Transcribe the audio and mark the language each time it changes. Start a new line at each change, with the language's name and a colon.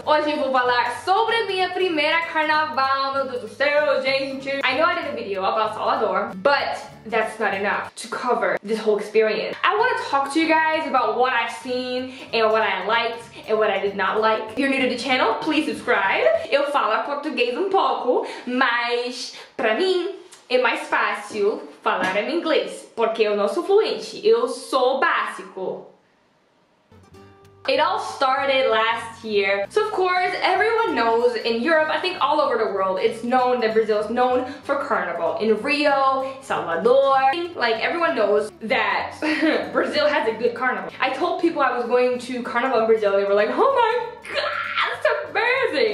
Portuguese: Hoje eu vou falar sobre a minha primeira carnaval, meu Deus do céu, gente.
English: I know I did a video about Salvador, but that's not enough to cover this whole experience. I want to talk to you guys about what I've seen and what I liked and what I did not like. If you're new to the channel, please subscribe.
Portuguese: Eu falo português pouco, mas pra mim é mais fácil falar em inglês, porque eu não sou fluente, eu sou básico.
English: It all started last year. So of course, everyone knows in Europe, I think all over the world, it's known that Brazil is known for carnival. In Rio, Salvador, like everyone knows that Brazil has a good carnival. I told people I was going to carnival in Brazil, they were like, oh my god, that's amazing!